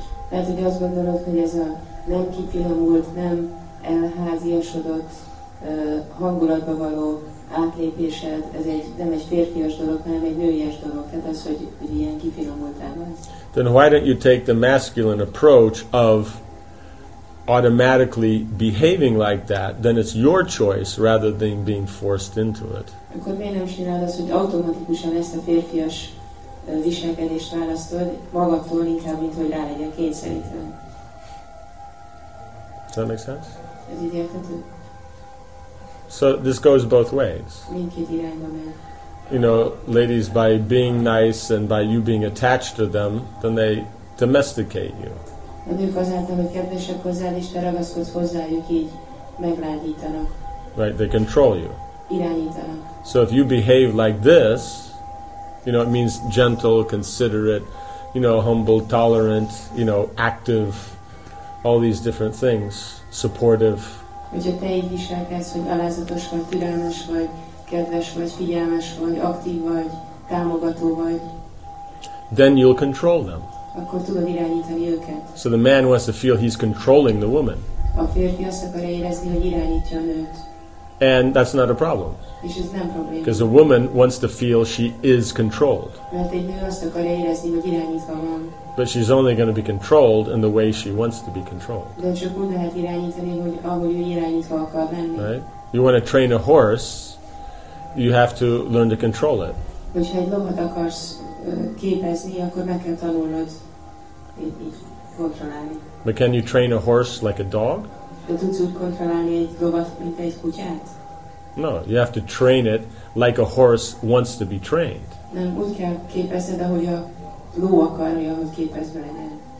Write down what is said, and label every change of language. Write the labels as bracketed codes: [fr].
[hu] Lehet, hogy azt gondolod, hogy ez a nem kifinomult, nem elháziasodott hangulatba való átlépésed, ez egy, nem egy férfias dolog, hanem egy nőies dolog. Tehát az, hogy ilyen kifinomultál vagy. [en] Then why don't you take the masculine approach of automatically behaving like that, then it's your choice rather than being forced into it. [hu] Akkor miért nem csinálod azt, hogy automatikusan ezt a férfias viselkedést választod magadtól inkább, mint hogy rá legyen kényszerítve. [en] Does that make sense? [hu] Ez így érthető? [en] So this goes both ways. [hu] Mindkét irányba megy. [en] You know, ladies, by being nice and by you being attached to them, then they domesticate you. [hu] A nők azáltal, hogy kedvesek hozzád, és te ragaszkodsz hozzájuk, így meglágyítanak. [en] Right, they control you. [hu] Irányítanak. [en] So if you behave like this, you know, it means gentle, considerate, you know, humble, tolerant, you know, active, all these different things, supportive. [hu] Hogy a te így viselkedsz, hogy alázatos vagy, türelmes vagy, kedves vagy, figyelmes vagy, aktív vagy, támogató vagy. [en] Then you'll control them. [hu] Akkor tudod irányítani őket. [en] So the man wants to feel he's controlling the woman. [hu] A férfi azt akarja érezni, hogy irányítja a nőt. [en] And that's not a problem. [hu] És ez nem probléma. [en] Because a woman wants to feel she is controlled. [hu] Mert egy nő azt akarja érezni, hogy irányítva van. [en] But she's only going to be controlled in the way she wants to be controlled. [hu] De csak úgy lehet irányítani, hogy ahogy ő irányítva akar lenni. [en] Right? You want to train a horse, you have to learn to control it. [hu] Hogyha egy lovat akarsz képezni, akkor meg kell tanulnod így kontrollálni. [en] But can you train a horse like a dog? [hu] De tudsz úgy kontrollálni egy lovat, mint egy kutyát? [en] No, you have to train it like a horse wants to be trained. [hu] Nem, úgy kell képezned, ahogy a ló akarja, hogy képezve legyen.